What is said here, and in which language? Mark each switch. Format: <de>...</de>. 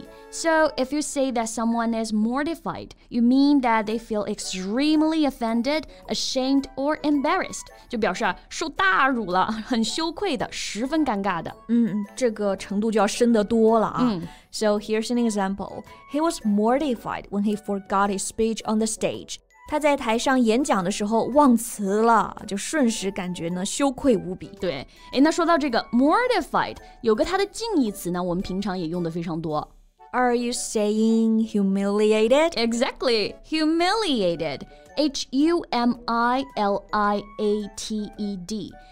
<en>So if you say that someone is mortified, you mean that they feel extremely offended, ashamed, or embarrassed.</en> <zh>就表示、啊、受大辱了，很羞愧的，十分尴尬的。这个程度就要深得多了啊。</zh> <en>So here's an example. He was mortified when he forgot his speech on the stage.</en> <zh>他在台上演讲的时候忘词了，就瞬时感觉呢羞愧无比。对，诶，那说到这个 mortified， 有个它的近义词呢，我们平常也用的非常多。</zh> <en>Are you saying humiliated? Exactly, humiliated. H-U-M-I-L-I-A-T-E-D.</en>